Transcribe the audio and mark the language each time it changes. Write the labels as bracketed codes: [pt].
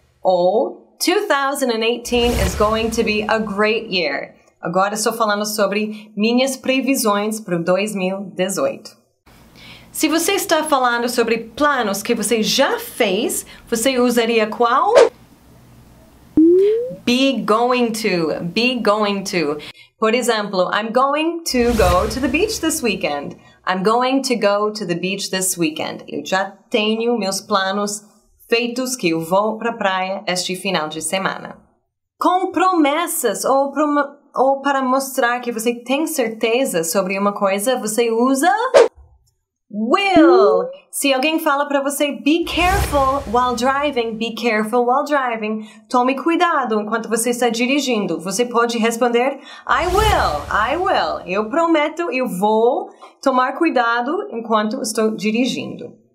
[pt] Ou [en] 2018 is going to be a great year. [pt] Agora, estou falando sobre minhas previsões para 2018. Se você está falando sobre planos que você já fez, você usaria qual? [en] Be going to. [pt] Por exemplo, [en] I'm going to go to the beach this weekend. I'm going to go to the beach this weekend. [pt] Eu já tenho meus planos feitos que eu vou para a praia este final de semana. Com promessas ou para mostrar que você tem certeza sobre uma coisa, você usa... Will! Se alguém fala para você, [en] be careful while driving, [pt] be careful while driving, tome cuidado enquanto você está dirigindo, você pode responder, [en] I will, [pt] eu prometo, eu vou tomar cuidado enquanto estou dirigindo.